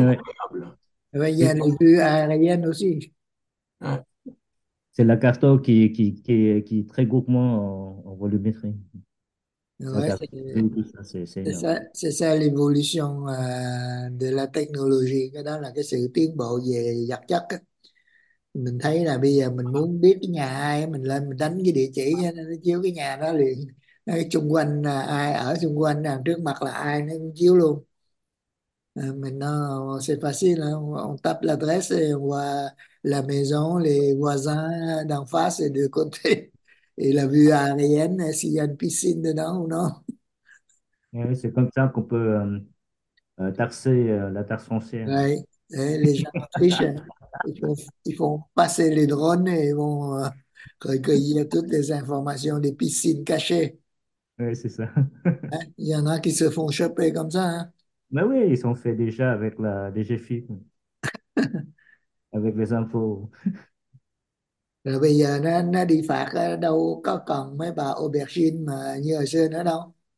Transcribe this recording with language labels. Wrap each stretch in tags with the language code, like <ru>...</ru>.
<fr>incroyable. Il y Et a les vues aériennes aussi. ouais. C'est la carte qui est très gourmand en volumétrie. La Ouais, carte, tout ça, c'est énorme. c'est ça l'évolution de la technologie.</fr> <vi>Cái đó là cái sự tiến bộ về vật chất. Mình thấy là bây giờ mình muốn biết cái nhà ai, mình lên mình đánh cái địa chỉ, nó chiếu cái nhà đó liền. Nói xung quanh ai ở xung quanh, trước mặt là ai, nó chiếu luôn.</vi> <fr>Maintenant, c'est facile, hein? On tape l'adresse et on voit la maison, les voisins d'en face et de côté. Et la vue aérienne, s'il y a une piscine dedans ou non. C'est comme ça qu'on peut tarser la terre foncière. Ouais. Les gens en Autriche, ils font passer les drones et vont recueillir toutes les informations des piscines cachées. Oui, c'est ça. Hein? Il y en a qui se font choper comme ça. Hein? Mais oui, ils sont faits déjà avec la DGFiP, avec les infos.</fr> <vi>Rồi bây giờ nó đi phạt đâu có còn mấy bà aubergine mà như hồi xưa nữa đâu.</vi>